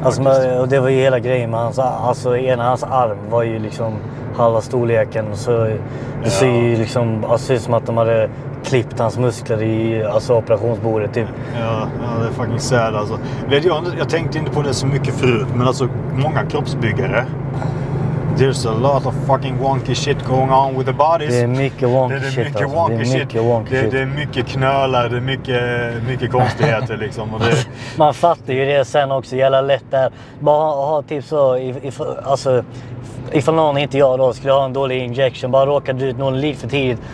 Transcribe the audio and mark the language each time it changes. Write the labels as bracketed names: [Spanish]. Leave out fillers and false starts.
[Swedish] Alltså, men, och det var ju hela grejen med hans, alltså ena hans arm var ju liksom halva storleken. Så det ser ju liksom, alltså det ser som att de hade klippt hans muskler i alltså operationsbordet typ. Ja, ja, det är fucking sad alltså. Vet du, jag tänkte inte på det så mycket förut, men alltså många kroppsbyggare. [English] There's a lot of fucking wonky shit going on with the bodies. [Swedish] Det är mycket wonky shit. Det är mycket wonky shit. Det är mycket knölar, det är mycket konstigheter liksom. Och det... Man fattar ju det sen också, jävla lätt där. Bara ha typ så, alltså, ifall någon, inte jag då, skulle ha en dålig injection, bara råkade ut någon lite för tidigt.